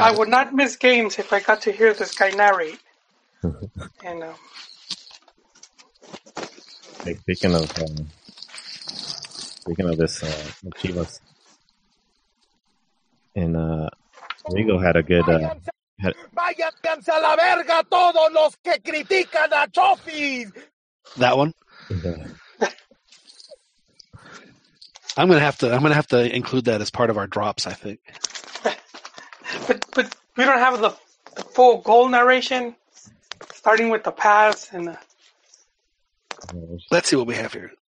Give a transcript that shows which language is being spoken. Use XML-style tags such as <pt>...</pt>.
<en>I would not miss games if I got to hear this guy narrate. And hey, speaking of this, Chivas and Rigo had a good.</en> <es>Váyanse a la verga todos los que critican a Chofis.</es> <en>That one. Yeah. I'm gonna have to include that as part of our drops, I think. But we don't have the full goal narration, starting with the pass and the... Let's see what we have here.</en>